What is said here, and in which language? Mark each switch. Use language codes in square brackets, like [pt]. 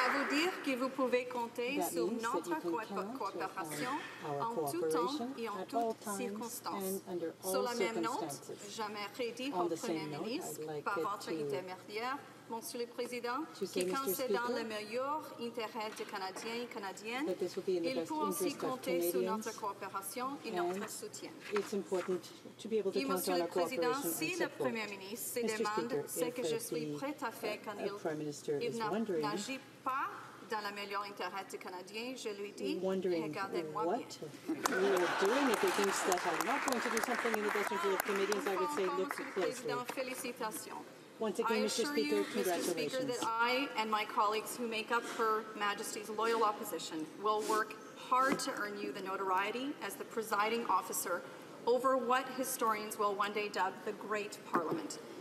[fr] Dire que vous pouvez compter sur notre coopération en tout temps et en toutes circonstances. Sur la même note, j'aimerais dire au Premier ministre, par votre intermédiaire, Monsieur le Président, que quand c'est dans le meilleur intérêt des Canadiens et Canadiennes, il faut aussi compter sur notre coopération et notre soutien. [en] It's important to be able to count on our cooperation and support. [fr] Et Monsieur le Président, si le Premier ministre se demande ce que je suis prête à faire quand il n'agit pas dans le meilleur intérêt des Canadiens, je lui dis, regardez-moi bien. [en] We are doing it. He thinks that I'm not going to do something in the best interest of Canadians. I would say, look closely. Once again, Mr. Speaker, that I and my colleagues who make up Her Majesty's loyal opposition will work hard to earn you the notoriety as the presiding officer over what historians will one day dub the Great Parliament.